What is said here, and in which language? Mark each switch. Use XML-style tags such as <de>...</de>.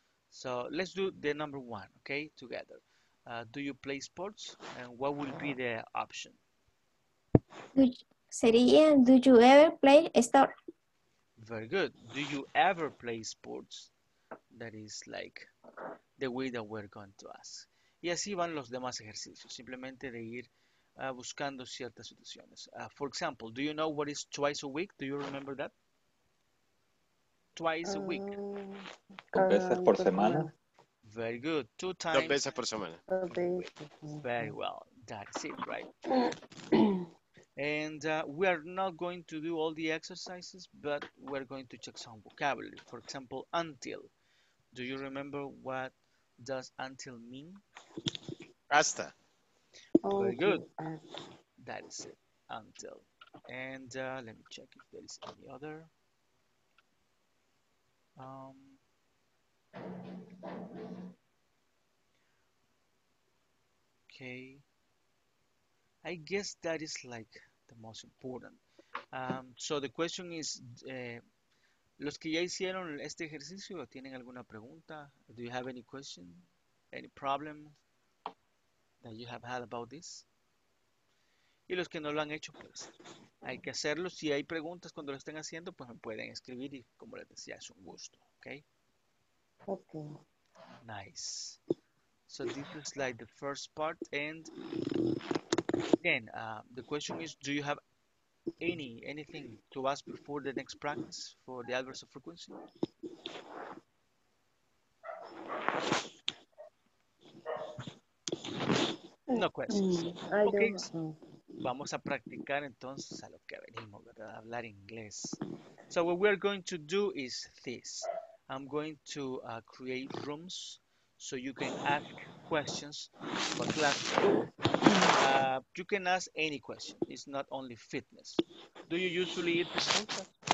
<en>So let's do the number one, okay, together. Do you play sports? And what would be the option? Sería, do you ever play sport? Very good. Do you ever play sports? That is like the way that we're going to ask.</en> <es>Y así van los demás ejercicios, simplemente de ir buscando ciertas situaciones.</es> <en>For example, do you know what is twice a week? Do you remember that? Twice a week.</en> <es>Dos veces por semana.</es> <en>Very good. Two times.</en> <es>Dos veces por semana.</es> <en>Very well. That's it, right? And we are not going to do all the exercises, but we're going to check some vocabulary. For example, until. Do you remember what does until mean?</en> <es>Hasta.</es> <en>Very good. That is it. Until. And let me check if there is any other. Okay. I guess that is like the most important. So the question is,</en> <es>los que ya hicieron este ejercicio, ¿tienen alguna pregunta?</es> <en>Do you have any question? Any problem that you have had about this?</en> <es>Y los que no lo han hecho, pues, hay que hacerlo. Si hay preguntas cuando lo estén haciendo, pues me pueden escribir y, como les decía, es un gusto, ¿okay?</es> <en>Okay. Nice. So this is like the first part, and again, the question is, do you have anything to ask before the next practice for the adverbs of frequency? No questions. I okay. Don't.</en> <es>Vamos a practicar entonces a lo que venimos, ¿verdad? Hablar inglés.</es> <en>So what we are going to do is this. I'm going to create rooms so you can ask questions for class. You can ask any question. It's not only fitness. Do you usually eat pizza?</en>